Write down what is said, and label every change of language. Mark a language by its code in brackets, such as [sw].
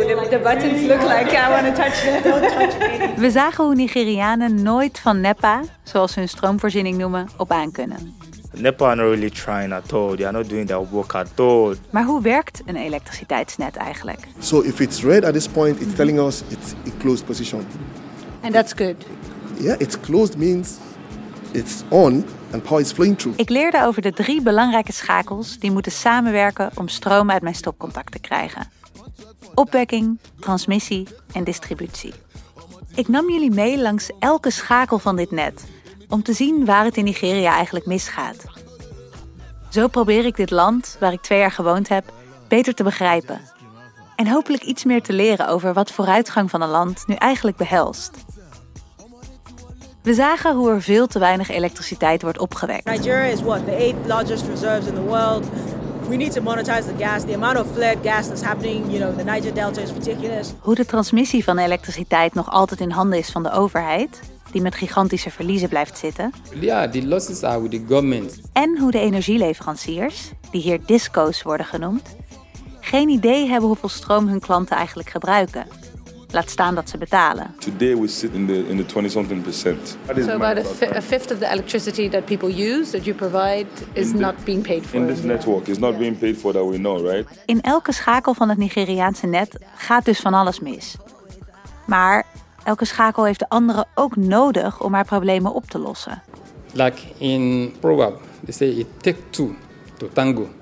[en] The buttons look like I want to touch them. Don't touch anything. [nl] We zagen hoe Nigerianen nooit van NEPA, zoals ze hun stroomvoorziening noemen, op aan kunnen. [en] NEPA are not really trying at all. They are not doing their work at all. [nl] Maar hoe werkt een elektriciteitsnet eigenlijk? [en] So if it's red at this point, it's telling us it's in closed position. And that's good. Yeah, it's closed means it's on. And power is flowing through. [nl] Ik leerde over de drie belangrijke schakels die moeten samenwerken om stroom uit mijn stopcontact te krijgen. Opwekking, transmissie en distributie. Ik nam jullie mee langs elke schakel van dit net om te zien waar het in Nigeria eigenlijk misgaat. Zo probeer ik dit land, waar ik 2 jaar gewoond heb, beter te begrijpen. En hopelijk iets meer te leren over wat vooruitgang van een land nu eigenlijk behelst. We zagen hoe er veel te weinig elektriciteit wordt opgewekt. [en] Nigeria is what, the 8th largest reserves in the world. We need to monetize the gas. The amount of flared gas that's happening, you know, the Niger Delta is ridiculous. [nl] Hoe de transmissie van elektriciteit nog altijd in handen is van de overheid, die met gigantische verliezen blijft zitten. [en] Yeah, the losses are with the government. [nl] En hoe de energieleveranciers, die hier discos worden genoemd, geen idee hebben hoeveel stroom hun klanten eigenlijk gebruiken. Laat staan dat ze betalen. [en] Today we sit in the 20-something percent. That is so about a fifth of the electricity that people use, that you provide, is not being paid for. In this network, it's not being paid for that we know, right? [nl] In elke schakel van het Nigeriaanse net gaat dus van alles mis. Maar elke schakel heeft de andere ook nodig om haar problemen op te lossen. [en] Like in proverb, they say it takes 2 to tango.